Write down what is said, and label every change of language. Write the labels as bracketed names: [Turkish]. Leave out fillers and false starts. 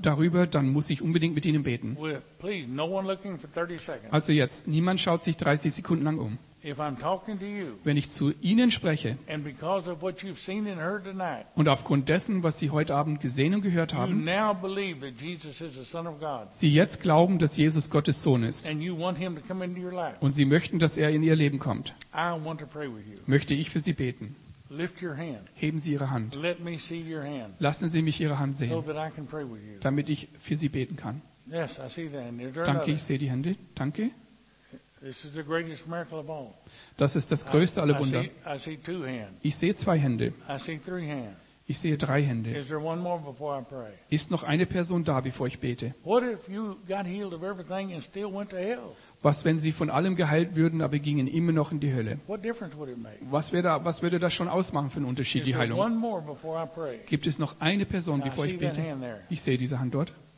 [German] Darüber, dann muss ich unbedingt mit Ihnen beten. [English] Well, please, no one looking for 30 seconds. [German] Also jetzt, niemand schaut sich 30 Sekunden lang um. [English] If I'm talking to you, [German] wenn ich zu Ihnen spreche, [English] and because of what you've seen and heard tonight, [German] und aufgrund dessen, was Sie heute Abend gesehen und gehört haben, [English] you now believe that Jesus is the Son of God, [German] Sie jetzt glauben, dass Jesus Gottes Sohn ist, [English] and you want him to come into your life, [German] und Sie möchten, dass er in Ihr Leben kommt, [English] I want to pray with you. [German] Möchte ich für Sie beten. [English] Lift your hand. [German] Heben Sie Ihre Hand. [English] Let me see your hand. [German] Lassen Sie mich Ihre Hand sehen, [English] so that I can pray with you. [German] Damit ich für Sie beten kann. [English] Yes, I see that. [German] Danke, another. Ich sehe die Hände. Danke. [English] This is the greatest miracle of all. [German] Das ist das größte aller Wunder. [English] I see two hands. [German] Ich sehe zwei Hände. [English] I see three hands. [German] Ich sehe drei Hände. [English] Is there one more before I pray? [German] Ist noch eine Person da, bevor ich bete? [English] What if you got healed of everything and still went to hell? [German] Was, wenn sie von allem geheilt würden, aber gingen immer noch in die Hölle? Was würde das schon ausmachen für einen Unterschied, die Heilung? Gibt es noch eine Person, bevor ich bete? Ich sehe diese Hand dort.